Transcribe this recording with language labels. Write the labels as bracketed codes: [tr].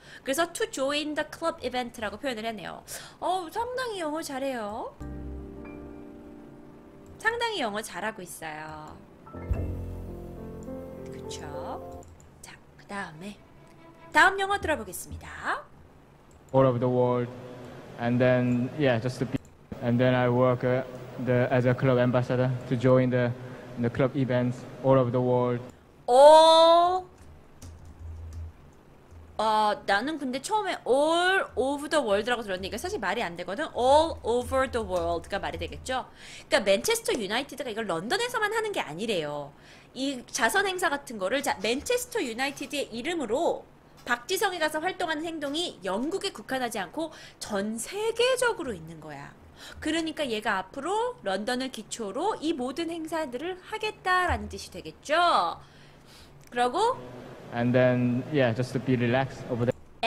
[ko] 그래서 [en] to join the club event [ko] 라고 표현을 했네요. 상당히 영어 잘해요. 상당히 영어 잘하고 있어요. 그쵸? 자, 그 다음에. 다음 영어 들어보겠습니다. [en] All over the world, and then yeah, just to be, and then I work as a club ambassador to join the club events all over the world. All. [ko] 나는 근데 처음에 [en] all over the world [ko] 라고 들었는데 이거 사실 말이 안 되거든. [en] All over the world [ko] 가 말이 되겠죠? 그러니까 맨체스터 유나이티드가 이걸 런던에서만 하는 게 아니래요. 이 자선 행사 같은 거를 자 맨체스터 유나이티드의 이름으로. 박지성이 가서 활동하는 행동이 영국에 국한하지 않고 전 세계적으로 있는 거야. 그러니까 얘가 앞으로 런던을 기초로 이 모든 행사들을 하겠다라는 뜻이 되겠죠? 그러고, [en] And then, yeah, just to be relaxed over there.